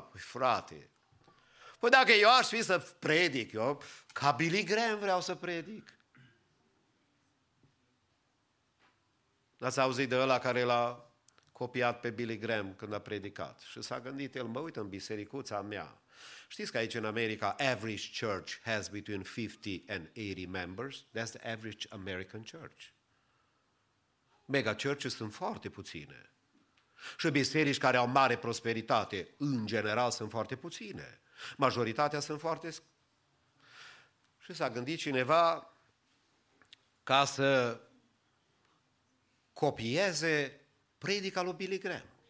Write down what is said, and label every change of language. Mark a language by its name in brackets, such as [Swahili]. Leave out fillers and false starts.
[Romanian] Păi, frate, păi dacă eu aș fi să predic, eu ca Billy Graham vreau să predic. Ați auzit de ăla care l-a copiat pe Billy Graham când a predicat și s-a gândit el, mă uit în bisericuța mea. Știți că aici în America, [English] average church has between 50 and 80 members. That's the average American church. [Romanian] Mega churches sunt foarte puține. Și biserici care au mare prosperitate, în general, sunt foarte puține. Majoritatea sunt foarte... Și s-a gândit cineva ca să copieze predica lui Billy Graham.